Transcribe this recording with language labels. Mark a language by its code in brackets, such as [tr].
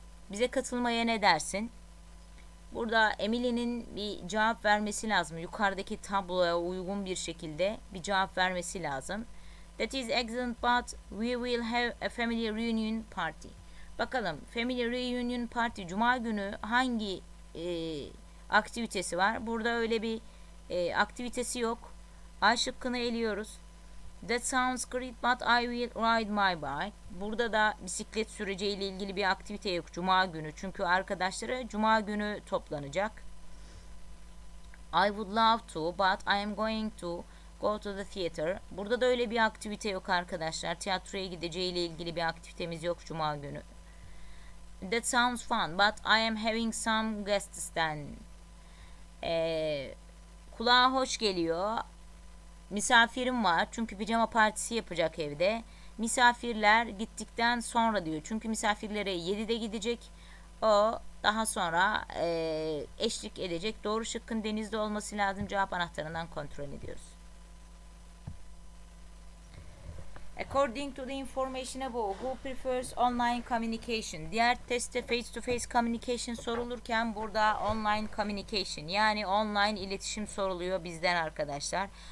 [tr] Bize katılmaya ne dersin? Burada Emily'nin bir cevap vermesi lazım. Yukarıdaki tabloya uygun bir şekilde bir cevap vermesi lazım. [en] That is excellent, but we will have a family reunion party. [tr] Bakalım, [en] family reunion party [tr] cuma günü hangi aktivitesi var? Burada öyle bir aktivitesi yok. A şıkkını eliyoruz. [en] That sounds great, but I will ride my bike. [tr] Burada da bisiklet süreceğiyle ilgili bir aktivite yok cuma günü. Çünkü arkadaşları cuma günü toplanacak. [en] I would love to, but I am going to Go to the theater. [tr] Burada da öyle bir aktivite yok arkadaşlar. Tiyatroya gideceğiyle ilgili bir aktivitemiz yok cuma günü. [en] That sounds fun, but I am having some guests then. [tr] Kulağa hoş geliyor. Misafirim var çünkü pijama partisi yapacak evde. Misafirler gittikten sonra diyor. Çünkü misafirlere 7'de gidecek. O daha sonra eşlik edecek. Doğru şıkkın denizde olması lazım. Cevap anahtarından kontrol ediyoruz. [en] According to the information above, who prefers online communication? [tr] Diğer testte [en] face to face communication [tr] sorulurken burada [en] online communication, [tr] yani online iletişim soruluyor bizden arkadaşlar.